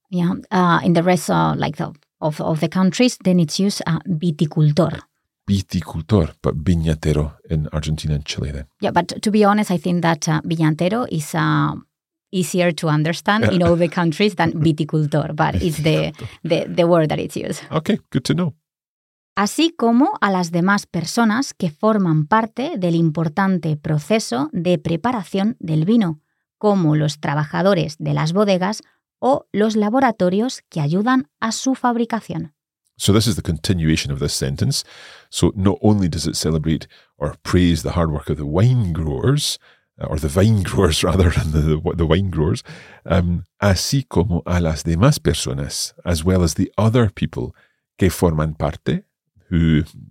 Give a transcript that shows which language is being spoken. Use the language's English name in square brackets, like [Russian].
[English] Yeah, in the rest of the countries, then it's used viticultor. Viticultor, but viñatero in Argentina and Chile then. Yeah, but to be honest, I think that viñatero is easier to understand in all the countries than viticultor, but it's the word that it's used. Okay, good to know. [Spanish] Así como a las demás personas que forman parte del importante proceso de preparación del vino, como los trabajadores de las bodegas o los laboratorios que ayudan a su fabricación. [English] So this is the continuation of this sentence. So not only does it celebrate or praise the hard work of the wine growers, or the vine growers rather than the wine growers, [Spanish] así como a las demás personas, [English] as well as the other people [Spanish] que forman parte, [English] who